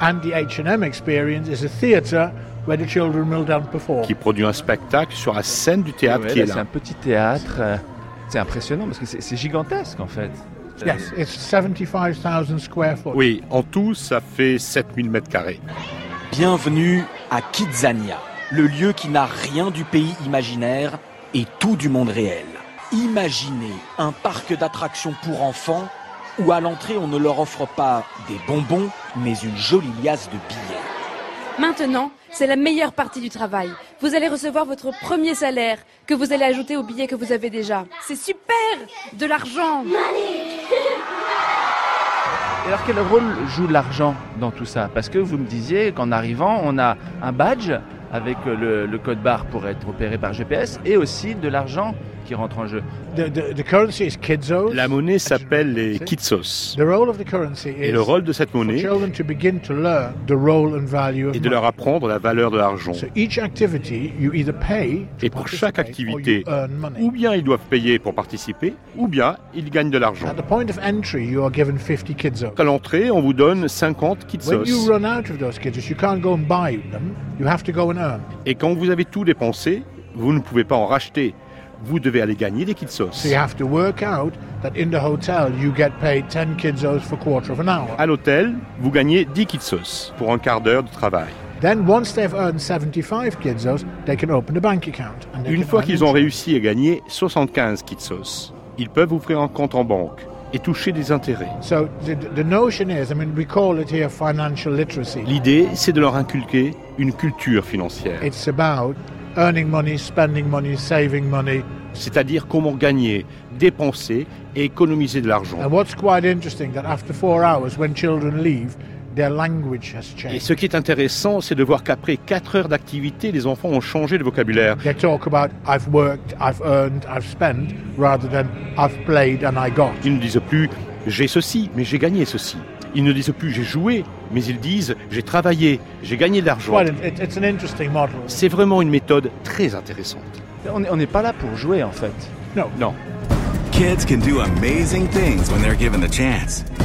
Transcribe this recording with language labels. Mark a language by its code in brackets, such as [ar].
[en] And the H&M experience is a theater where the children will then perform. [fr] Qui produit un spectacle sur la scène du théâtre ouais, qui là, est là. C'est un petit théâtre. C'est impressionnant parce que c'est gigantesque en fait. [en] Yes, it's 75,000 square foot. [fr] Oui, en tout, ça fait 7000 mètres carrés. Bienvenue à Kidzania, le lieu qui n'a rien du pays imaginaire et tout du monde réel. Imaginez un parc d'attractions pour enfants où à l'entrée, on ne leur offre pas des bonbons, mais une jolie liasse de billets. Maintenant, c'est la meilleure partie du travail. Vous allez recevoir votre premier salaire que vous allez ajouter au billet que vous avez déjà. C'est super ! De l'argent ! Et alors quel rôle joue l'argent dans tout ça ? Parce que vous me disiez qu'en arrivant, on a un badge avec le code barre pour être opéré par GPS et aussi de l'argent qui rentre en jeu. [en] The currency is kidzos. [fr] La monnaie s'appelle les kidzos. [en] The role of the currency is [fr] et le rôle de cette monnaie [en] for children to begin to learn the role and value of [fr] et de leur apprendre la valeur de l'argent. [en] So each activity, you either pay [fr] et pour chaque activité, [en] or you earn money. [fr] Ou bien ils doivent payer pour participer, ou bien ils gagnent de l'argent. [en] At the point of entry, you are given 50 kidzos. [fr] À l'entrée, on vous donne 50 kidzos. [en] When you run out of those kidzos, you can't go and buy them. You have to go and earn. [fr] Et quand vous avez tout dépensé, vous ne pouvez pas en racheter. Vous devez aller gagner des kidzos. [en] So you have to work out that in the hotel you get paid 10 kidzos for quarter of an hour. [fr] À l'hôtel, vous gagnez 10 kidzos pour un quart d'heure de travail. [en] Then once they've earned 75 kidzos, they can open a bank account. [fr] And une fois qu'ils ont réussi à gagner 75 kidzos, ils peuvent ouvrir un compte en banque et toucher des intérêts. [en] So the notion is, I mean, we call it here financial literacy. [fr] L'idée, c'est de leur inculquer une culture financière. [en] It's about earning money, spending money, saving money. [fr] C'est-à-dire comment gagner, dépenser et économiser de l'argent. [en] And what's quite interesting that after 4 hours, when children leave, their language has changed. [fr] Et ce qui est intéressant, c'est de voir qu'après 4 heures d'activité, les enfants ont changé de vocabulaire. [en] They talk about I've worked, I've earned, I've spent, rather than I've played and I got. [fr] Ils ne disent plus j'ai ceci, mais j'ai gagné ceci. Ils ne disent plus « j'ai joué », mais ils disent « j'ai travaillé, j'ai gagné de l'argent ». C'est vraiment une méthode très intéressante. On n'est pas là pour jouer, en fait. [en] No. [fr] Non. [en] Kids can do amazing things when they're given the chance.